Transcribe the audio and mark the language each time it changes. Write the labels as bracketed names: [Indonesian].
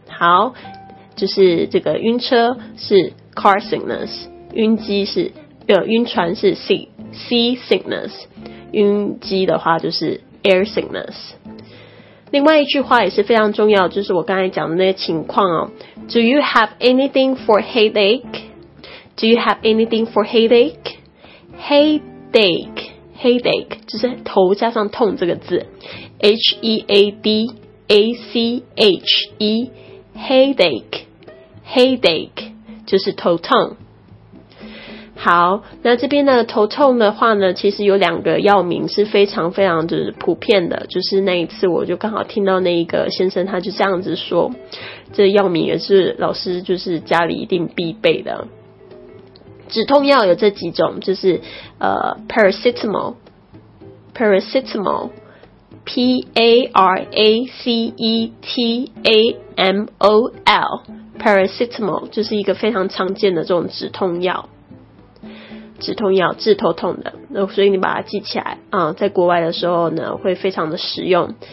[Chinese] 好，就是这个晕车是 car sickness, 晕船是 sea sickness, 晕机的话就是 air sickness。另外一句话也是非常重要，就是我刚才讲的那个情况哦。 [English] Do you have anything for headache? Do you have anything for headache? [Chinese] Headache, headache 就是头加上痛这个字。 H-E-A-D-A-C-H-E, headache, headache 就是头痛。好，那这边呢头痛的话呢，其实有两个药名是非常非常的普遍的，就是那一次我就刚好听到那一个先生他就这样子说，这药名也是老师就是家里一定必备的。止痛药有这几种，就是paracetamol, P-A-R-A-C-E-T-A-M-O-L, paracetamol 就是一个非常常见的这种止痛药治头痛的，所以你把它记起来啊，在国外的时候呢会非常的实用。